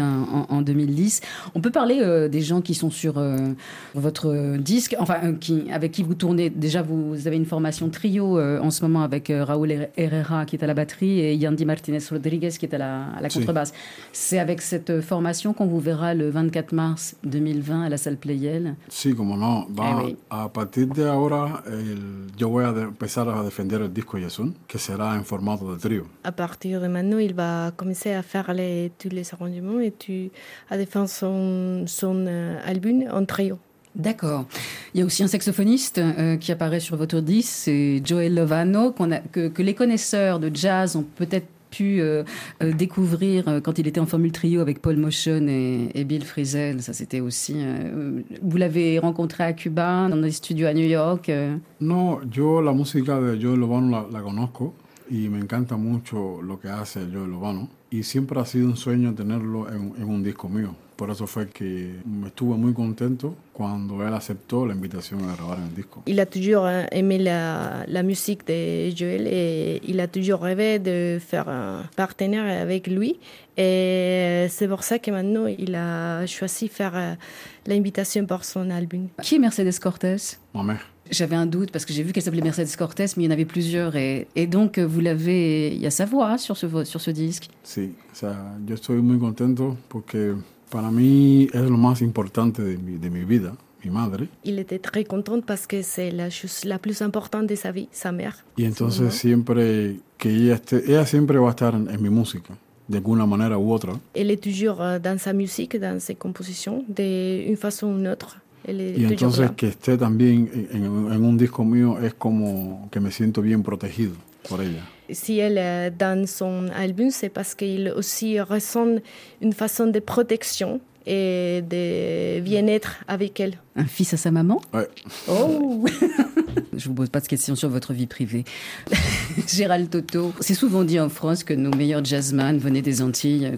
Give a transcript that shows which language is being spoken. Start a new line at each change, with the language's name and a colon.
French: C'était en 2010. On peut parler des gens qui sont sur votre disque, enfin, avec qui vous tournez. Déjà, vous avez une formation trio en ce moment avec Raúl Herrera, qui est à la batterie, et Yandy Martinez-Rodriguez, qui est à la contrebasse. Si. C'est avec cette formation qu'on vous verra le 24 mars 2020 à la salle Playel. Si, comme non. Bah, oui.
Spanish: À partir de ahora,
French: je vais
Spanish: empezar a defender el disco Yesun, que será en formato de trío.
French: A partir de maintenant, il va commencer à faire tous les arrangements et tu à défendre son album en trio. D'accord. Il y a aussi un saxophoniste qui apparaît sur votre disque, c'est Joel Lovano, que les connaisseurs de jazz ont peut-être pu découvrir quand il était en formule trio avec Paul Motion et Bill Frisell. Ça, c'était aussi. Vous l'avez rencontré à Cuba, dans des studios à New York.
Spanish: Non, yo la música de Joel Lovano la conozco y me encanta mucho lo que hace Joel Lovano. Y siempre ha sido un sueño tenerlo en un disco mío. Por eso fue que me estuve muy contento cuando él aceptó la invitación a grabar en el disco.
French: Il a toujours aimé la musique de Joel et il a toujours rêvé de faire un partenaire avec lui. Et c'est pour ça que maintenant il a choisi faire l'invitation pour son album. Qui est Mercedes Cortés? Ma mère. J'avais un doute parce que j'ai vu qu'elle s'appelait Mercedes Cortés, mais il y en avait plusieurs. Et donc, vous l'avez, il y a sa voix sur ce disque.
Spanish: Si,
French: ça, je suis
Spanish: muy contento porque para mí es lo más importante de mi vida, mi madre.
French: Il était très content parce que c'est la chose la plus importante de sa vie, sa mère.
Spanish: Y entonces, siempre que ella siempre va a estar en mi música.
French: D'une manière ou autre. Elle est toujours dans sa musique, dans ses compositions, d'une façon ou d'une autre. Elle est et donc,
Spanish: que esté también en un disco mío, es como que me siento bien protegido por ella.
French: Si elle est dans son album, c'est parce qu'il aussi ressent une façon de protection et de bien-être avec elle. Un fils à sa maman? Ouais. Oh! Je ne vous pose pas de questions sur votre vie privée. Gérald Toto, c'est souvent dit en France que nos meilleurs jazzmen venaient des Antilles.